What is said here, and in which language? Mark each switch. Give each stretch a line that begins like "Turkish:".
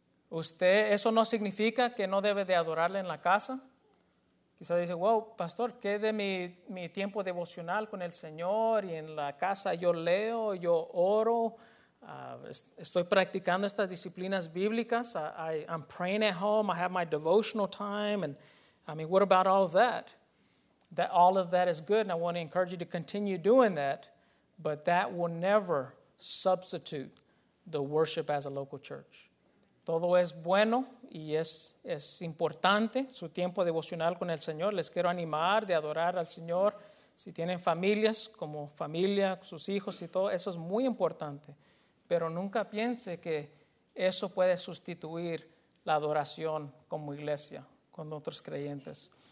Spanish: Usted, eso no significa que no debe de adorarle en la casa. Quizá dice, wow, pastor, ¿qué de mi tiempo devocional con el Señor? Y en la casa yo leo, yo oro, estoy practicando estas disciplinas bíblicas.
English: I'm praying at home, I have my devotional time, and I mean, what about all of that? That all of that is good, and I want to encourage you to continue doing that, but that will never substitute the worship as a local church.
Spanish: Todo es bueno y es importante su tiempo devocional con el Señor. Les quiero animar de adorar al Señor. Si tienen familias, como familia, sus hijos y todo, eso es muy importante. Pero nunca piense que eso puede sustituir la adoración como iglesia con otros creyentes.